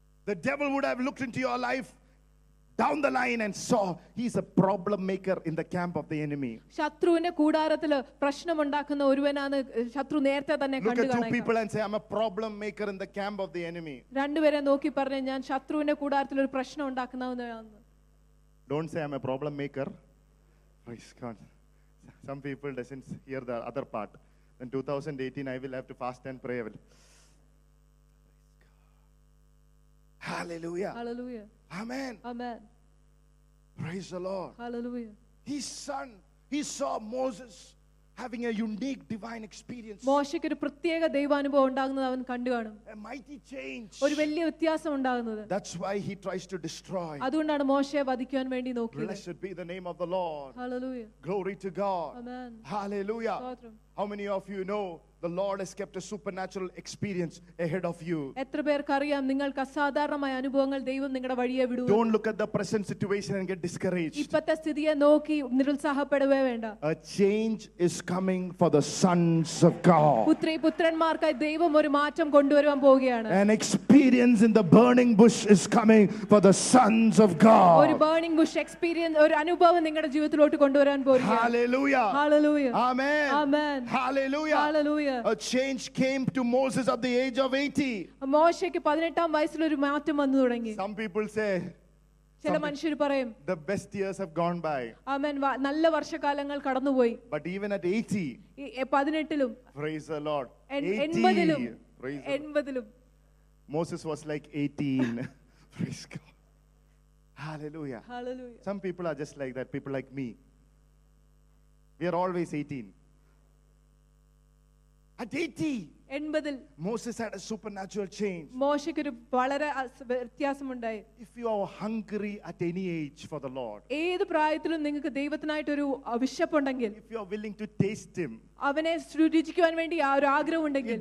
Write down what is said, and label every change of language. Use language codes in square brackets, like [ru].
[en] The devil would have looked into your life down the line and saw he's a problem maker in the camp of the enemy. [ml] ശത്രുവിന്റെ കൂടാരത്തിൽ പ്രശ്നം ഉണ്ടാക്കുന്ന ഒരുവനാണ് ശത്രു നേരത്തെ തന്നെ കണ്ടുകാണാൻ. [en] Look at two people and say I'm a problem maker in the camp of the enemy. [ml] രണ്ടുപേരെ നോക്കി പറഞ്ഞു ഞാൻ ശത്രുവിന്റെ കൂടാരത്തിൽ ഒരു പ്രശ്നം ഉണ്ടാക്കുന്നവനാണ്. [en] Don't say I'm a problem maker. Praise God. Some people doesn't hear the other part. In 2018 I will have to fast and pray. Hallelujah. Hallelujah. Amen. Amen. Praise the Lord. Hallelujah. His son, he saw Moses having a unique divine experience. [ml] മോശയ്ക്ക് ഒരു പ്രത്യേക ദൈവാനുഭവം ഉണ്ടാകുന്നത് അവൻ കണ്ടുകാണും. [en] A mighty change. [ml] ഒരു വലിയ വ്യത്യാസം ഉണ്ടാകുന്നത്. [en] That's why he tries to destroy. [ml] അതുകൊണ്ടാണ് മോശയെ വധിക്കാൻ വേണ്ടി നോക്കിയത്. [en] Blessed be the name of the Lord. Hallelujah. Glory to God. Amen. Hallelujah. [ml] സ്തോത്രം. [en] How many of you know the Lord has kept a supernatural experience ahead of you? [ml] എത്ര പേർക്ക് അറിയാം നിങ്ങൾക്ക് അസാധാരണമായ അനുഭവങ്ങൾ ദൈവം നിങ്ങളുടെ വഴിയെ വിടും. [en] Don't look at the present situation and get discouraged. [ml] ഇപ്പോഴത്തെ സ്ഥിതിയെ നോക്കി നിരുത്സാഹപ്പെടുകയേ വേണ്ട. [en] A change is coming for the sons of God. [ml] പുത്രീ പുത്രന്മാർക്കായി ദൈവം ഒരു മാറ്റം കൊണ്ടുവരാൻ പോവുകയാണ്. [en] An experience in the burning bush is coming for the sons of God. [ml] ഒരു [en] burning bush experience [ml] ഒരു അനുഭവം നിങ്ങളുടെ ജീവിതത്തിലോട്ട് കൊണ്ടുവരാൻ പോവുകയാണ്. [en] Hallelujah. Hallelujah. Amen. Amen. Hallelujah. Hallelujah. A change came to Moses at the age of 80. [ml] മോശയ്ക്ക് 18 വയസ്സിൽ ഒരു മാറ്റം വന്നു തുടങ്ങി. [en] Some people say [ml] ചില മനുഷ്യർ പറയും [en] the best years have gone by. [ml] ആമേൻ നല്ല വർഷകാലങ്ങൾ കടന്നുപോയി. [en] But even at 80 [ml] 18ലും [en] praise the Lord [ml] 80ലും praise 80ലും [en] Moses was like 18. Praise God. Hallelujah. Hallelujah. Some people are just like that, people like me. We are always 18. At 80, Moses had a supernatural change. [ml] മോശയ്ക്ക് ഒരു വളരെ വ്യത്യാസം ഉണ്ടായി. [en] If you are hungry at any age for the Lord. [ml] ഏത് പ്രായത്തിലും നിങ്ങൾക്ക് ദൈവത്തിനായിട്ട് ഒരു വിശപ്പുണ്ടെങ്കിൽ. [en] If you are willing to taste him. [ml] അവനെ രുചിക്കാൻ വേണ്ടി ആ ഒരു ആഗ്രഹം ഉണ്ടെങ്കിൽ.